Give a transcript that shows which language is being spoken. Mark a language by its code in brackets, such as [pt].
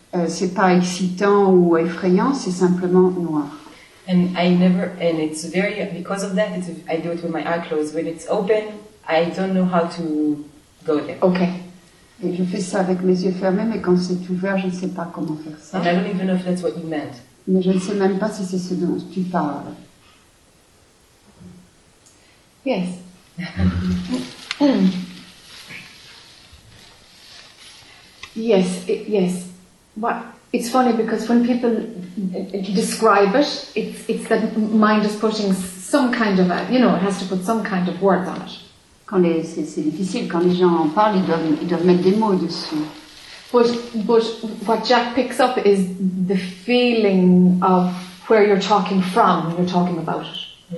[fr] C'est pas excitant ou effrayant, c'est simplement noir. [en] And it's very, because of that, I do it with my eyes closed. When it's open, I don't know how to go there. Okay. [fr] Et je fais ça avec mes yeux fermés, mais quand c'est ouvert, je ne sais pas comment faire ça. [en] And I don't even know if that's what you meant. [fr] Mais je ne sais même pas si c'est ce dont tu parles. [en] Yes. Yes. But it's funny because when people describe it, it's that mind is putting some kind of, it has to put some kind of words on it. [fr] C'est difficile quand les gens en parlent, ils doivent mettre des mots dessus. [en] But what Jack picks up is the feeling of where you're talking from when you're talking about it.